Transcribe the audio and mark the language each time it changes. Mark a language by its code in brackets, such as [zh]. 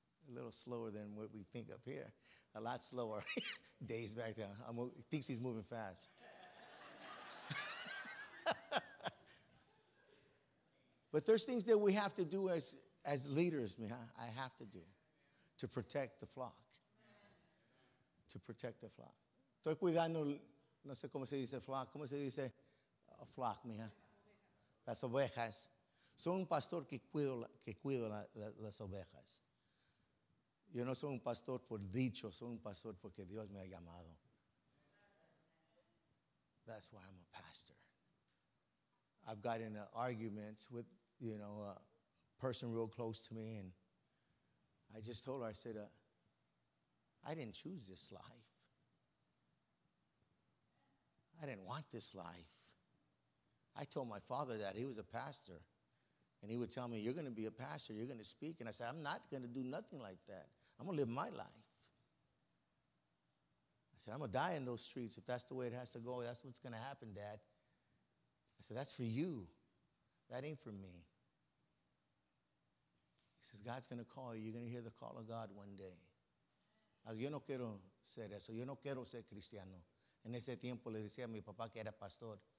[en] A little slower than what we think up here. A lot slower. Days back then. He thinks he's moving fast. But there's things that we have to do as leaders, Miha. I have to do to protect the flock. To protect the flock. [es] Estoy cuidando, no sé cómo se dice flock. ¿Cómo se dice a flock, Miha? Las ovejas. Soy un pastor que cuido las ovejas. Yo no soy un pastor por dicho. Soy un pastor porque Dios me ha llamado. [en] That's why I'm a pastor. I've gotten arguments with, you know, a person real close to me. And I just told her, I said, I didn't choose this life. I didn't want this life. I told my father that. He was a pastor. And he would tell me, you're going to be a pastor. You're going to speak. And I said, I'm not going to do nothing like that. I'm going to live my life. I said, I'm going to die in those streets. If that's the way it has to go, that's what's going to happen, Dad. I said, that's for you. That ain't for me. He says, God's going to call you. You're going to hear the call of God one day. [es] Yo no quiero ser eso. Yo no quiero ser cristiano. En ese tiempo le decía a mi papá que era pastor.